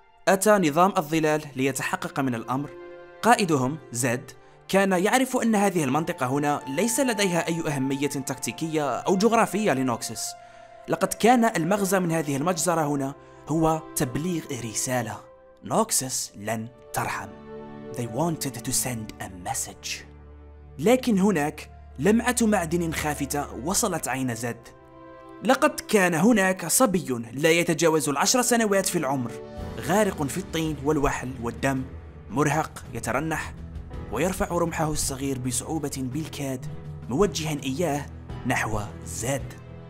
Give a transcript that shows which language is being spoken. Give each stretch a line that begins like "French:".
Arabic: أتى نظام الظلال ليتحقق من الأمر. قائدهم زد كان يعرف أن هذه المنطقة هنا ليس لديها أي أهمية تكتيكية أو جغرافية لنوكسس. لقد كان المغزى من هذه المجزرة هنا هو تبليغ رسالة: نوكسس لن ترحم.
English: They wanted to send a message.
Arabic: لكن هناك لمعة معدن خافتة وصلت عين زد. لقد كان هناك صبي لا يتجاوز 10 سنوات في العمر، غارق في الطين والوحل والدم، مرهق يترنح ويرفع رمحه الصغير بصعوبة بالكاد موجها إياه نحو زد.